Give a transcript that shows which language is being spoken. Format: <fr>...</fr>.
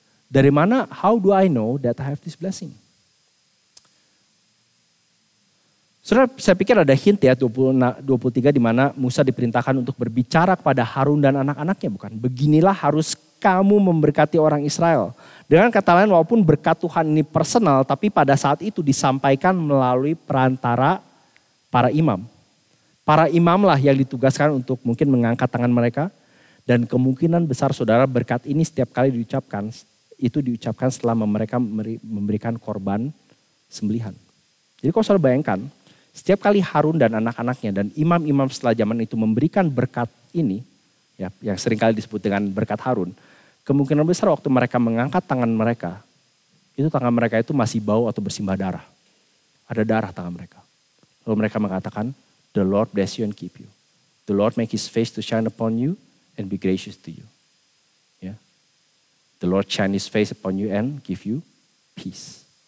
<id>Dari mana,</id> <en>how do I know that I have this blessing?</en> <id>Saudara, saya pikir ada hint ya 23 di mana Musa diperintahkan untuk berbicara kepada Harun dan anak-anaknya, bukan? Beginilah harus kamu memberkati orang Israel. Dengan kata lain, walaupun berkat Tuhan ini personal, tapi pada saat itu disampaikan melalui perantara para imam. Para imamlah yang ditugaskan untuk mungkin mengangkat tangan mereka. Dan kemungkinan besar saudara berkat ini setiap kali diucapkan, itu diucapkan setelah mereka memberikan korban sembelihan. Jadi kalau saudara bayangkan, setiap kali Harun dan anak-anaknya dan imam-imam setelah zaman itu memberikan berkat ini, ya, yang seringkali disebut dengan berkat Harun, kemungkinan besar waktu mereka mengangkat tangan mereka, itu tangan mereka itu masih bau atau bersimbah darah. Ada darah tangan mereka. Lalu mereka mengatakan,</id> <en>"The Lord bless you and keep you. The Lord make his face to shine upon you and be gracious to you." The Lord shine his face upon you and give you peace.</en>